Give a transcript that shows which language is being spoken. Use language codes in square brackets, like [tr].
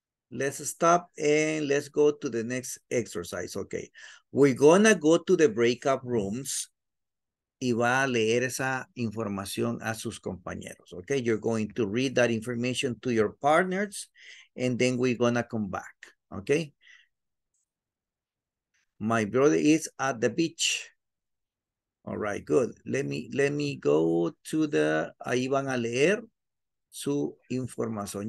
[en] Let's stop and let's go to the next exercise. Okay, we're gonna go to the breakout rooms [es] y va a leer esa información a sus compañeros. [en] Okay, you're going to read that information to your partners and then we're gonna come back. Okay. My brother is at the beach. All right, good. Let me go to the, [es] ahí van a leer su información.